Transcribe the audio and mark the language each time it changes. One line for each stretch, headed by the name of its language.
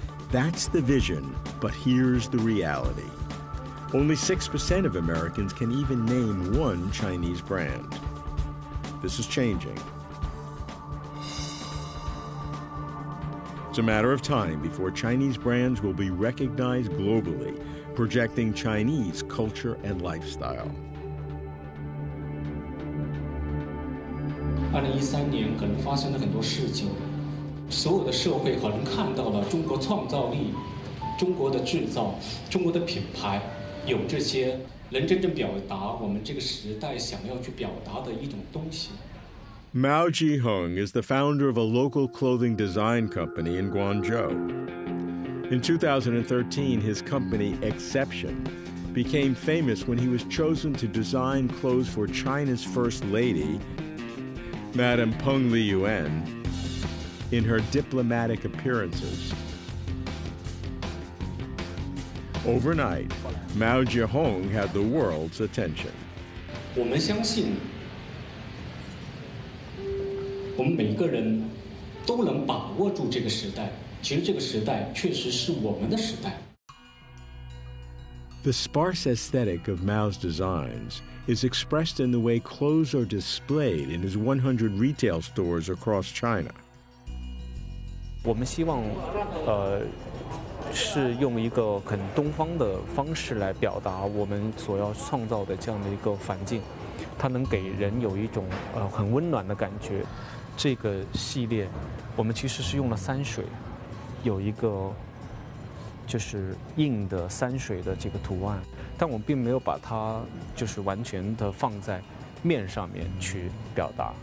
English: That's the vision, but here's the reality. Only 6% of Americans can even name one Chinese brand. This is changing. It's a matter of time before Chinese brands will be recognized globally, projecting Chinese culture and lifestyle.
Chinese: 2013年可能发生了很多事情，所有的社会可能看到了中国创造力、中国的制造、中国的品牌，有这些能真正表达我们这个时代想要去表达的一种东西。
English: Mao Jihong is the founder of a local clothing design company in Guangzhou. In 2013, his company, Exception, became famous when he was chosen to design clothes for China's first lady, Madam Peng Liyuan, in her diplomatic appearances. Overnight, Mao Jihong had the world's attention. We believe.
Chinese: 我们每个人都能把握住这个时代，其实这个时代确实是我们的时代。
English: The sparse aesthetic of Mao's designs is expressed in the way clothes are displayed in his 100 retail stores across China.
Chinese: 我们希望，是用一个很东方的方式来表达我们所要创造的这样的一个环境，它能给人有一种很温暖的感觉。这个系列我们其实是用了山水，有一个就是硬的山水的这个图案，但我们并没有把它就是完全的放在面上面去表达。